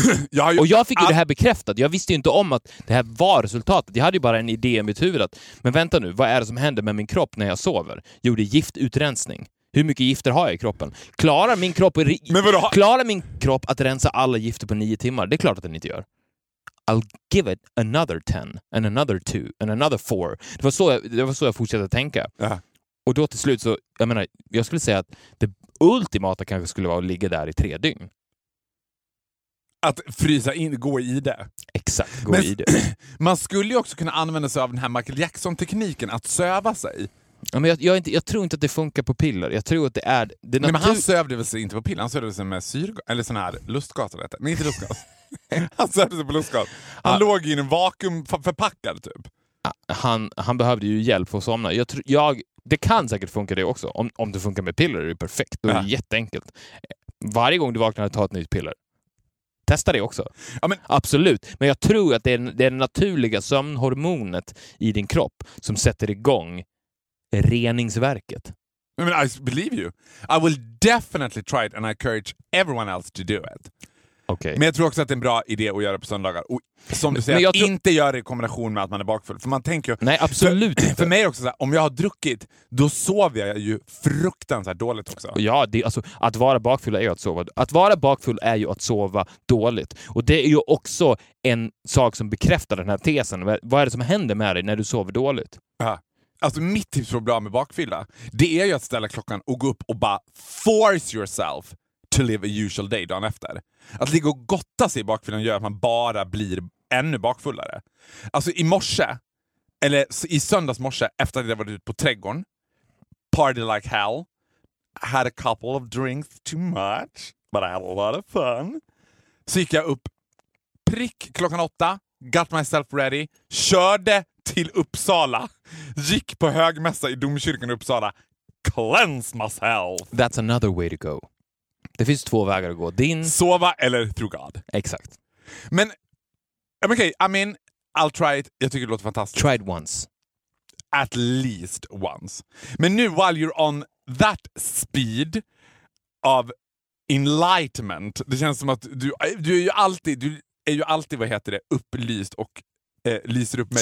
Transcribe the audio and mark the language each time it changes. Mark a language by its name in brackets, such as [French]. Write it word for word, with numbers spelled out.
[Swedish] jag ju, och jag fick ju att, det här bekräftat. Jag visste ju inte om att det här var resultatet. Jag hade ju bara en idé i mitt huvud. Att, men vänta nu, vad är det som händer med min kropp när jag sover? Jo, det är giftutrensning. Hur mycket gifter har jag i kroppen? Klarar min kropp, men vadå? Klarar min kropp att rensa alla gifter på nio timmar? Det är klart att den inte gör. [English] I'll give it another ten and another two and another four. [Swedish] Det var så jag, det var så jag fortsatte att tänka. Ja. Och då till slut så, jag menar, jag skulle säga att det ultimata kanske skulle vara att ligga där i tre dygn. Att frysa in, gå i det. Exakt, gå Men, i det. Man skulle ju också kunna använda sig av den här Michael Jackson-tekniken, att söva sig. Ja, men jag, jag, inte, jag tror inte att det funkar på piller. Jag tror att det är... Det är Nej, men han sövde väl sig inte på piller, han sövde sig med syrgas, eller sån här lustgas. Nej, inte lustgas. Han sövde sig på lustgas. Han ja. låg i en vakuumförpackad typ. Han, han behövde ju hjälp för att somna. Jag tror... Jag, det kan säkert funka det också. Om, om det funkar med piller är det perfekt. Då är det jätteenkelt. Varje gång du vaknar och tar ett nytt piller. Testa det också. Ja, men, absolut. Men jag tror att det är, det är det naturliga sömnhormonet i din kropp som sätter igång reningsverket. [English] I mean, I believe you. I will definitely try it and I encourage everyone else to do it. Okay. [Swedish] Men jag tror också att det är en bra idé att göra på söndagar. Och som du säger, jag tror... inte göra det i kombination med att man är bakfull. För man tänker ju... Nej, absolut för, inte. För mig också, så här, om jag har druckit, då sover jag ju fruktansvärt dåligt också. Ja, det, alltså, att vara bakfull är ju att sova. Att vara bakfull är ju att sova dåligt. Och det är ju också en sak som bekräftar den här tesen. Vad är det som händer med dig när du sover dåligt? Aha. Alltså mitt tips för att bli av med bakfylla, det är ju att ställa klockan och gå upp och bara [English] force yourself to live a usual day [Swedish] dagen efter. Att ligga och gotta sig i bakfyllan gör att man bara blir ännu bakfullare. Alltså i morse, eller i söndags morse, efter att jag varit ute på trädgården, [English] party like hell, had a couple of drinks too much, but I had a lot of fun. [Swedish] Så gick jag upp prick klockan åtta, [English] got myself ready, [Swedish] körde till Uppsala, gick på högmässa i domkyrkan i Uppsala, [English] cleanse myself. That's another way to go. [Swedish] Det finns två vägar att gå. Din... Sova eller [English] through God. [Swedish] Exakt. [English] Men, okej, okay, I mean, I'll try it. [Swedish] Jag tycker det låter fantastiskt. [English] Try it once. At least once. [Swedish] Men nu, [English] while you're on that speed of enlightenment, [Swedish] det känns som att du, du är ju alltid, du är ju alltid, vad heter det, upplyst och eh, lyser upp mig